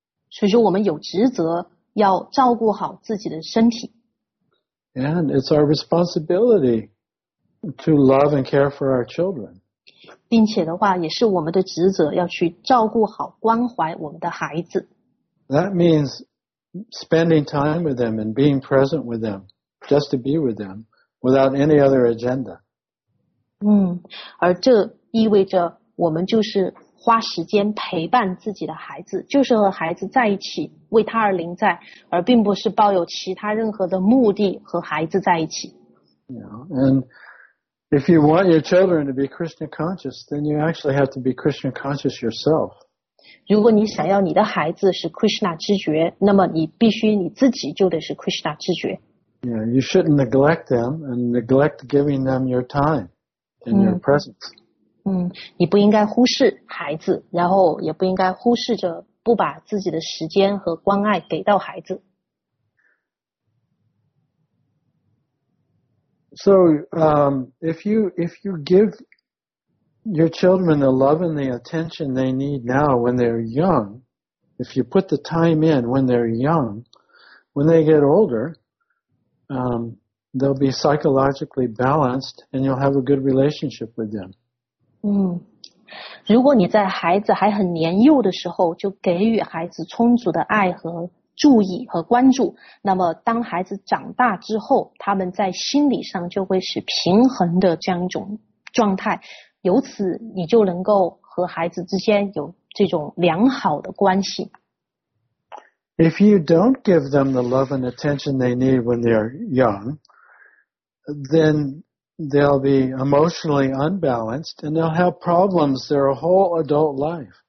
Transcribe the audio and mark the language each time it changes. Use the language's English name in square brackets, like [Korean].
[Chinese] 所以说我们有职责要照顾好自己的身体。 [English] And it's our responsibility. To love and care for our children. [Chinese] 并且的话也是我们的职责要去照顾好关怀我们的孩子。 [English] That means spending time with them and being present with them, just to be with them, without any other agenda. [Chinese] 而这意味着我们就是花时间陪伴自己的孩子就是和孩子在一起为他而临在而并不是抱有其他任何的目的和孩子在一起。 [English] Yeah, and If you want your children to be Krishna conscious, then you actually have to be Krishna conscious yourself. [Chinese] 如果你想要你的孩子是 Krishna 知觉，那么你必须你自己就得是 Krishna 知觉。 [English] Yeah, you shouldn't neglect them and neglect giving them your time and your presence. [Chinese] 你不应该忽视孩子，然后也不应该忽视着不把自己的时间和关爱给到孩子。 [English] So, if you give your children the love and the attention they need now when they're young, if you put the time in when they're young, when they get older, they'll be psychologically balanced and you'll have a good relationship with them. [Chinese] 如果你在孩子还很年幼的时候就给予孩子充足的爱和注意和关注，那么当孩子长大之后，他们在心理上就会是平衡的这样一种状态，由此你就能够和孩子之间有这种良好的关系。 [English] If you don't give them the love and attention they need when they're young, then they'll be emotionally unbalanced and they'll have problems their whole adult life.